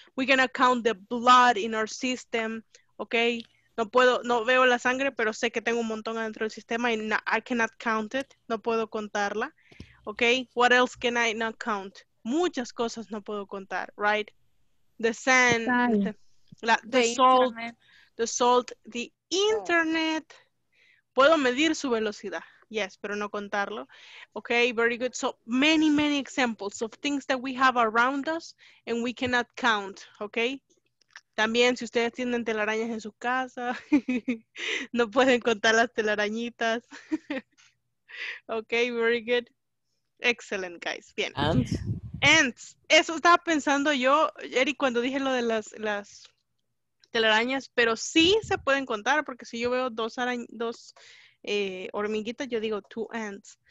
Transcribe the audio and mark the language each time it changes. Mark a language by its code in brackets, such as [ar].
[en] We cannot count the blood in our system. Okay. [es] No veo la sangre, pero sé que tengo un montón adentro del sistema y [en] I cannot count it. [es] No puedo contarla. [en] Ok, what else can I not count? [es] Muchas cosas no puedo contar, right? [en] The sand, the salt, the internet. [es] Puedo medir su velocidad. [en] Yes, [es] pero no contarlo. [en] Okay, very good. So many, many examples of things that we have around us and we cannot count, okay? [es] También si ustedes tienen telarañas en su casa, no pueden contar las telarañitas. [en] Okay, very good. Excellent, guys. Bien. Ants. Ants. [es] Eso estaba pensando yo, Eric, cuando dije lo de las telarañas, pero sí se pueden contar, porque si yo veo dos hormiguitas, yo digo [en] two ants.